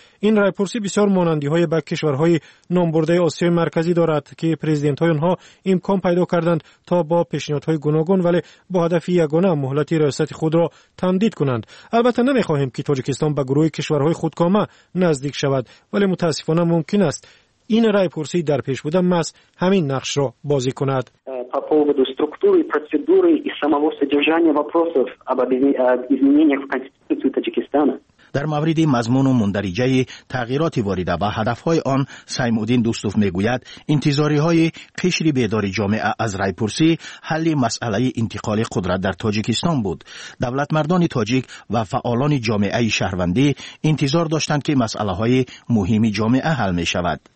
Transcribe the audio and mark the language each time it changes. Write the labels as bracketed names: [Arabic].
[Persian] این رای پرسی بسیار مانندی های به کشورهای نامبرده آسیای مرکزی دارد که پرزیدنت های آنها امکان پیدا کردند تا با پیشنهادهای گوناگون ولی با هدف یگانه مهلت ریاست خود را تمدید کنند. البته نمیخواهیم که تاجیکستان به گروه کشورهای خودکامه نزدیک شود، ولی متاسفانه ممکن است این رای پرسی در پیش بوده مس همین نقش را بازی کند. [Russian] поводу структуры, процедуры и самого содержания вопросов об изменениях в Конституции Таджикистана. [Persian] در مورد مضمون و مندرجه‌ی تغییرات واریده و هدف‌های آن، سیمودین دوستوف می‌گوید انتظاری‌های قشر بیدار جامعه از رای پرسی حل مسئله انتقال قدرت در تاجیکستان بود. دولت مردان تاجیک و فعالان جامعه شهروندی انتظار داشتند که مسئله‌های مهم جامعه حل می‌شود.